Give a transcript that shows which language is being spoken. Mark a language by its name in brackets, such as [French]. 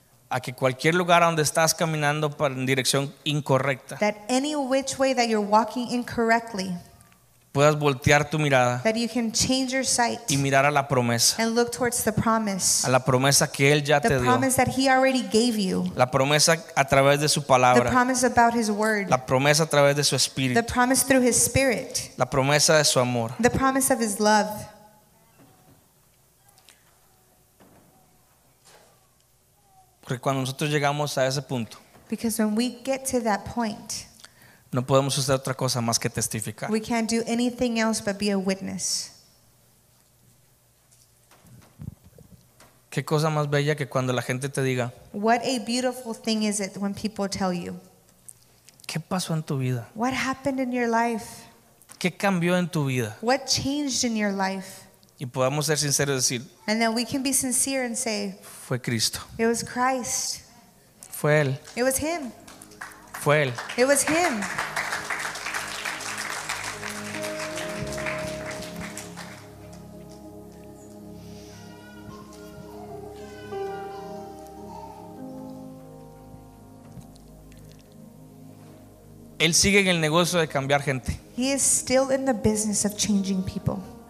[Spanish] A que cualquier lugar donde estás caminando para en dirección incorrecta. [English] That any which way that you're walking incorrectly. [Spanish] Puedas voltear tu mirada. [English] That you can change your sight. [Spanish] Y mirar a la promesa. [English] And look towards the promise. [Spanish] A la promesa que él ya te dio. [English] The promise that he already gave you. [Spanish] La promesa a través de su palabra. [English] The promise about his word. [Spanish] La promesa a través de su espíritu. [English] The promise through his spirit. [Spanish] La promesa de su amor. [English] The promise of his love. [Spanish] Porque cuando nosotros llegamos a ese punto, [English] because when we get to that point, [Spanish] no podemos hacer otra cosa más que testificar. [English] We can't do anything else but be a witness. [Spanish] ¿Qué cosa más bella que cuando la gente te diga? [English] What a beautiful thing is it when people tell you? [Spanish] ¿Qué pasó en tu vida? [English] What happened in your life? [Spanish] ¿Qué cambió en tu vida? [English] What changed in your life? [Spanish] Y podamos ser sinceros y decir, [English] and then we can be sincere and say, [Spanish] fue Cristo. [English] It was Christ. [Spanish] Fue él. [English] It was him. [Spanish] Fue él. [English] It was him. [Spanish] Él sigue en el negocio de cambiar gente. [English] He is still in the business of changing people.